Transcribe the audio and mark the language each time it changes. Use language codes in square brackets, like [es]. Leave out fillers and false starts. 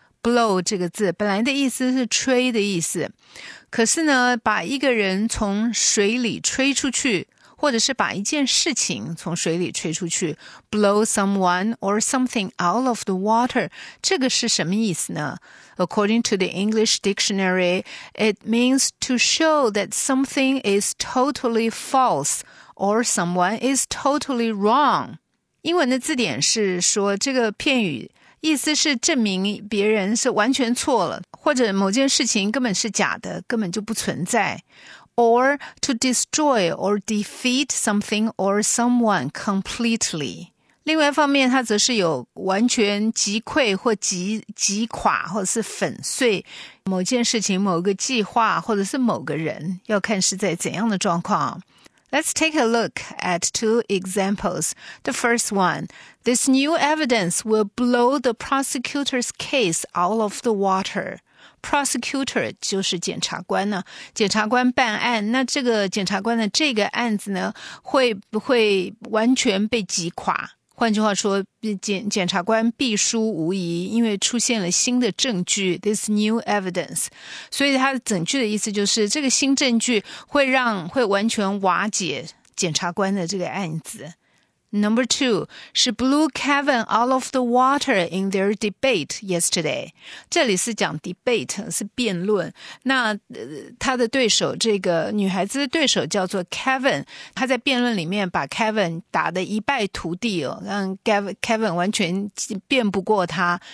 [zh] Blow 这个字本来的意思是吹的意思。可是呢，把一个人从水里吹出去，或者是把一件事情从水里吹出去 , [en] blow someone or something out of the water, [zh] 这个是什么意思呢? [en] According to the English dictionary, it means to show that something is totally false or someone is totally wrong. [zh] 英文的字典是说这个片语意思是证明别人是完全错了或者某件事情根本是假的根本就不存在。 [en] Or to destroy or defeat something or someone completely. [zh] 另外一方面它则是有完全击溃或 击垮或者是粉碎某件事情某个计划或者是某个人要看是在怎样的状况。 [en] Let's take a look at two examples. The first one, this new evidence will blow the prosecutor's case out of the water. [zh] Prosecutor 就是检察官呢，检察官办案，那这个检察官的这个案子呢，会不会完全被击垮？换句话说，检察官必输无疑，因为出现了新的证据 ， [en] this new evidence。 [zh] 所以他整句的意思就是，这个新证据会完全瓦解检察官的这个案子。 [en] Number two, she blew Kevin out of the water in their debate yesterday. [zh] 这里是讲 debate, 是辩论。那他的对手，这个女孩子的对手叫做 Kevin, 他在辩论里面把 Kevin 打得一败涂地哦，让 Kevin 完全辩不过他。